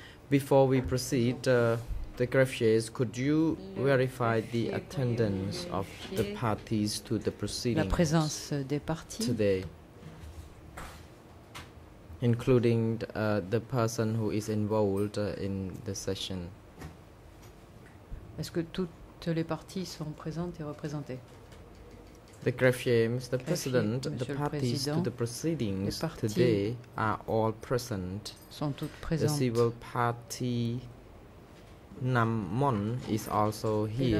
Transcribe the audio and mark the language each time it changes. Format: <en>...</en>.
<en>Before we proceed, the greffiers, could you verify the attendance of the parties to the proceedings today, including the person who is involved in the session?</en> <fr>Est-ce que toutes les parties sont présentes et représentées?</fr> <en>The greffier, Mr. President, the parties to the proceedings today are all present.</en> <fr>Sont toutes présentes.</fr> <en>The civil party Nam Mon is also here</en>